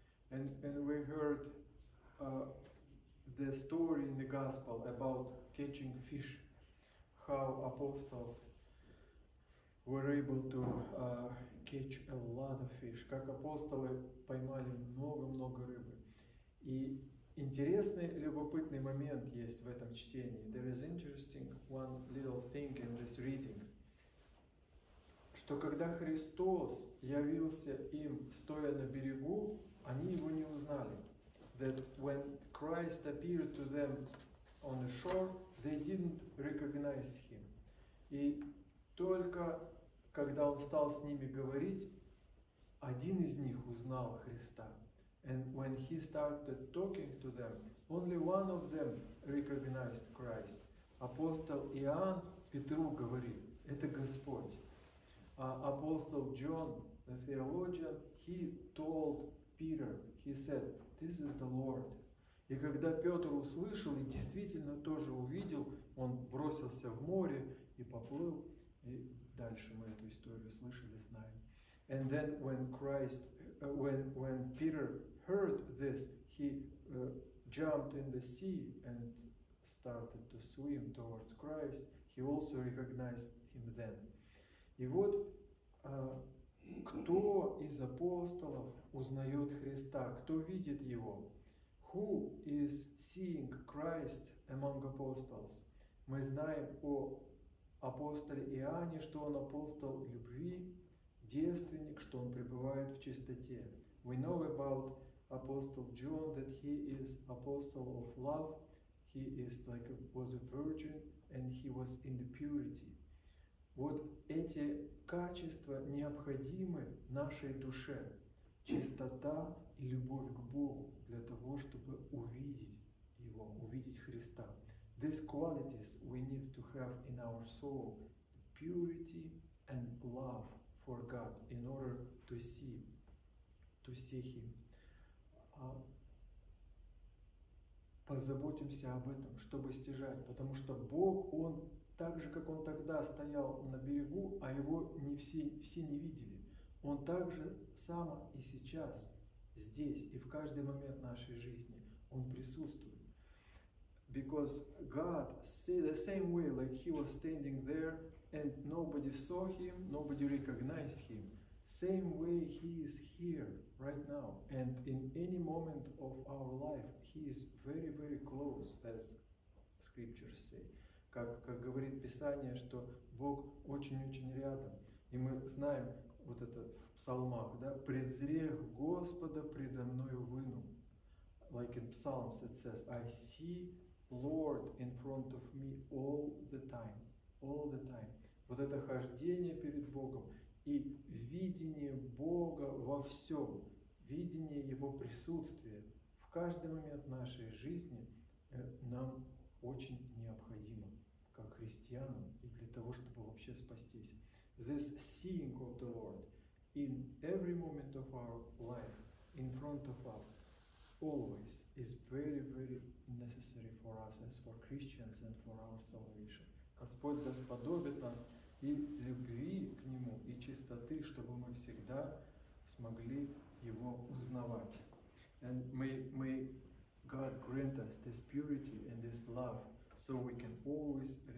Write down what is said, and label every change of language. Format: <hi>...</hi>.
<en>And we heard the story in the gospel about catching fish, how apostles were able to catch a lot of fish,</en> <ru>как апостолы поймали много-много рыбы. И интересный, любопытный момент есть в этом чтении.</ru> <en>There is interesting one little thing in this reading.</en> <ru>Что когда Христос явился им, стоя на берегу, они его не узнали.</ru> <en>That when Christ appeared to them on the shore, they didn't recognize him.</en> <ru>И только когда он стал с ними говорить, один из них узнал Христа.</ru> <en>And when he started talking to them, only one of them recognized Christ.</en> <ru>Апостол Иоанн Петру говорит, это Господь. Апостол Джон,</ru> <en>the theologian, he told Peter, he said, this is the Lord.</en> <ru>И когда Петр услышал и действительно тоже увидел, он бросился в море и поплыл. И дальше мы эту историю слышали, знаем.</ru> <en>And then when Christ, when Peter heard this, he jumped in the sea and started to swim towards Christ. He also recognized him then.</en> <ru>И вот кто из апостолов узнает Христа? Кто видит его?</ru> <en>Who is seeing Christ among apostles?</en> <ru>Мы знаем о апостоле Иоанне, что он апостол любви, девственник, что он пребывает в чистоте.</ru> <en>We know about Apostle John that he is apostle of love. He is like was a virgin and he was in the purity.</en> <ru>Вот эти качества необходимы нашей душе. Чистота и любовь к Богу для того, чтобы увидеть его, увидеть Христа.</ru> <en>These qualities we need to have in our soul, purity and love for God, in order to see Him.</en> <ru>Позаботимся об этом, чтобы стяжать, потому что Бог, Он так же, как Он тогда стоял на берегу, а Его не все не видели, Он так же само и сейчас, здесь, и в каждый момент нашей жизни, Он присутствует.</ru> <en>Because God see the same way like he was standing there and nobody saw him, nobody recognized him. Same way he is here right now and in any moment of our life he is very, very close, as scriptures say.</en> <ru>Как говорит Писание, что Бог очень-очень рядом. И мы знаем вот это в псалмах, да? Предзрех Господа предо мною выну.</ru> <en>Like in Psalms it says, I see Lord in front of me all the time, all the time.</en> <ru>Вот это хождение перед Богом и видение Бога во всем, видение Его присутствия в каждый момент нашей жизни нам очень необходимо, как христианам, и для того, чтобы вообще спастись.</ru> <en>This seeing of the Lord in every moment of our life, in front of us, always is very, very necessary for us as for Christians and for our salvation.</en> <ru>Господь да сподобит нас и любви к Нему, и чистоты, чтобы мы всегда смогли Его узнавать.</ru> <en>And may God grant us this purity and this love so we can always</en>